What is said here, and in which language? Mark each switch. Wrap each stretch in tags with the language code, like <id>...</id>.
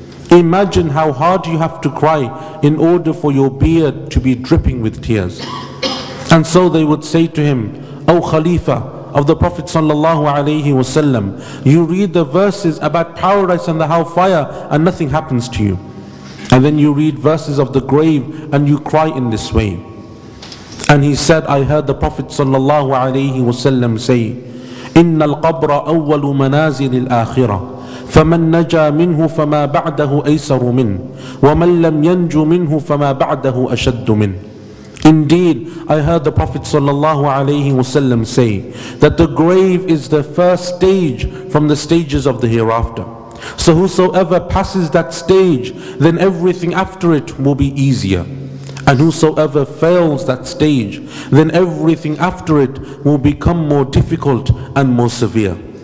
<en>Imagine how hard you have to cry in order for your beard to be dripping with tears. And so they would say to him, "O Khalifa of the Prophet sallallahu alayhi wasallam, you read the verses about paradise and the hellfire and nothing happens to you. And then you read verses of the grave and you cry in this way." And he said, I heard the Prophet sallallahu alayhi wasallam say,</en> <ar>إن القبر أول منازل الآخرة فمن نجا منه فما بعده أيسر منه ومن لم ينجو منه فما بعده أشد منه.</ar> <en>Indeed, I heard the Prophet sallallahu alayhi wasallam say that the grave is the first stage from the stages of the hereafter. So whosoever passes that stage, then everything after it will be easier. And whosoever fails that stage, then everything after it will become more difficult and more severe.</en>